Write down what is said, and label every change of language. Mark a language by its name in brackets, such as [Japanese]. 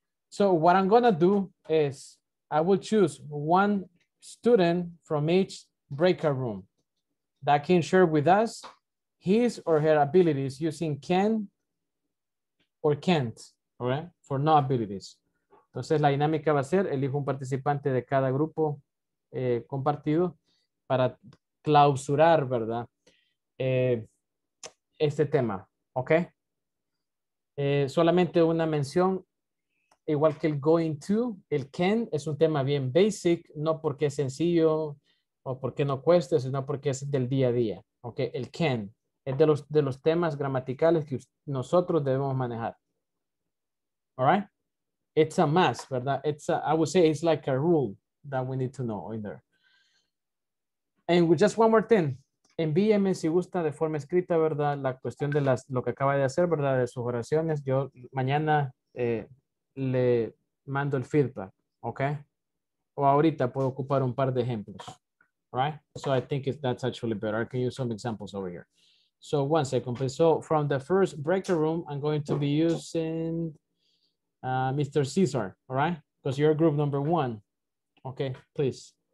[English] So what I'm going to do is I will choose one student from each breakout room that can share with us his or her abilities using can or can't, all right, for no abilities. [Spanish] Entonces, la dinámica va a ser, elijo un participante de cada grupo compartido para clausurar, ¿verdad? Este tema, ¿ok? Solamente una mención, igual que el going to, el can es un tema bien basic, no porque es sencillo o porque no cueste, sino porque es del día a día, ¿ok? El can es de los temas gramaticales que nosotros debemos manejar, ¿all right? [English] It's a must, ¿verdad? I would say it's like a rule that we need to know either. And with just one more thing. [Spanish] Envíeme si gusta de forma escrita, ¿verdad? La cuestión de las lo que acaba de hacer, ¿verdad? De sus oraciones. Yo mañana le mando el feedback, ¿ok? O ahorita puedo ocupar un par de ejemplos, right? [English] So I think that's actually better. I can use some examples over here. So 1 second, please. So from the first breakout room, I'm going to be using... Mr. Cesar, all right? Because you're group number one. Okay, please.